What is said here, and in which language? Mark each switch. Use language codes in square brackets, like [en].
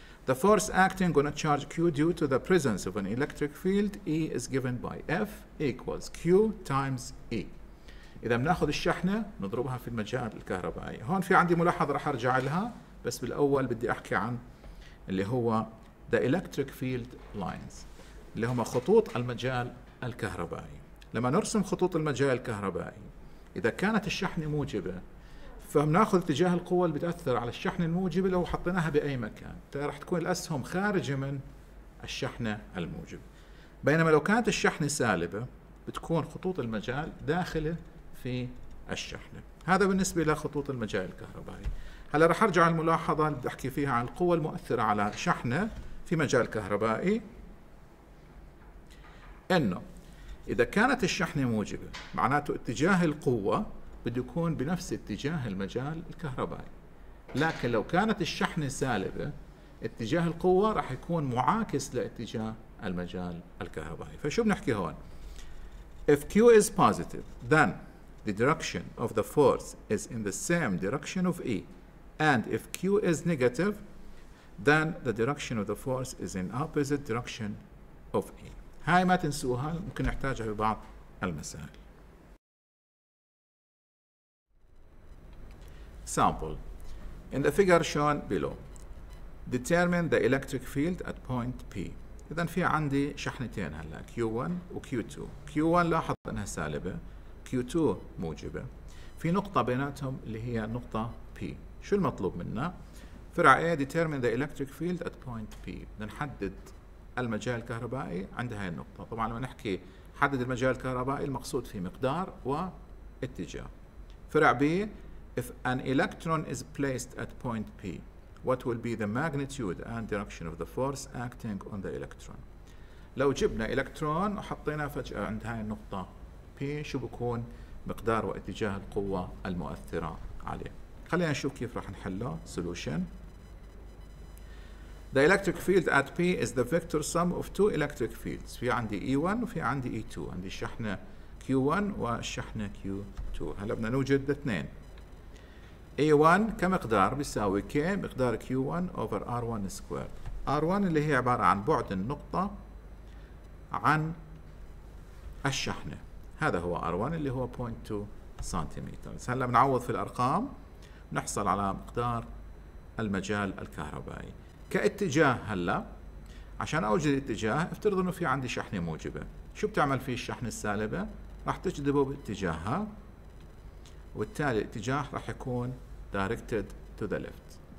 [en] The force acting on a charge Q due to the presence of an electric field E is given by F equals Q times E. [ar] إذا بناخذ الشحنة نضربها في المجال الكهربائي. هون في عندي ملاحظة رح أرجع لها، بس بالأول بدي أحكي عن اللي هو [en] the electric field lines [ar] اللي هما خطوط المجال الكهربائي. لما نرسم خطوط المجال الكهربائي إذا كانت الشحنة موجبة فبناخذ اتجاه القوة اللي بتأثر على الشحنة الموجبة لو حطيناها بأي مكان، راح تكون الأسهم خارجة من الشحنة الموجبة. بينما لو كانت الشحنة سالبة بتكون خطوط المجال داخلة في الشحنة. هذا بالنسبة لخطوط المجال الكهربائي. هلا راح أرجع الملاحظة اللي بدي أحكي فيها عن القوة المؤثرة على شحنة في مجال كهربائي. إنه إذا كانت الشحنة موجبة معناته اتجاه القوة بده يكون بنفس اتجاه المجال الكهربائي، لكن لو كانت الشحنة سالبة اتجاه القوة راح يكون معاكس لاتجاه المجال الكهربائي. فشو بنحكي هون؟ [en] If Q is positive then the direction of the force is in the same direction of E, and if Q is negative then the direction of the force is in opposite direction of E. [ar] هاي ما تنسوها، ممكن نحتاجها في بعض المسائل. [en] Example. In the figure shown below, determine the electric field at point P. [ar] إذا في عندي شحنتين هلا Q1 و Q2. Q1 لاحظ أنها سالبة، Q2 موجبة. في نقطة بيناتهم اللي هي نقطة P. شو المطلوب منا؟ فرع [en] A determine the electric field at point P. [ar] نحدد المجال الكهربائي عند هاي النقطة. طبعا لما نحكي حدد المجال الكهربائي المقصود فيه مقدار واتجاه. فرع B [en] If an electron is placed at point P, what will be the magnitude and direction of the force acting on the electron? [ar] لو جبنا إلكترون وحطيناه فجأة عند هاي النقطة P، شو بكون مقدار واتجاه القوة المؤثرة عليه؟ خلينا نشوف كيف راح نحله. [en] Solution: The electric field at P is the vector sum of two electric fields. [ar] في عندي E1 وفي عندي E2. عندي الشحنة Q1 والشحنة Q2. هلا بدنا نوجد الاثنين. A1 كمقدار بيساوي K مقدار Q1 over R1 squared. R1 اللي هي عبارة عن بعد النقطة عن الشحنة. هذا هو R1 اللي هو 0.2 سنتيمتر. هلا بنعوض في الأرقام نحصل على مقدار المجال الكهربائي. كاتجاه هلا عشان اوجد الاتجاه، افترض انه في عندي شحنه موجبه، شو بتعمل فيه الشحنه السالبه؟ راح تجذبه باتجاهها، وبالتالي الاتجاه راح يكون [en] directed to the left.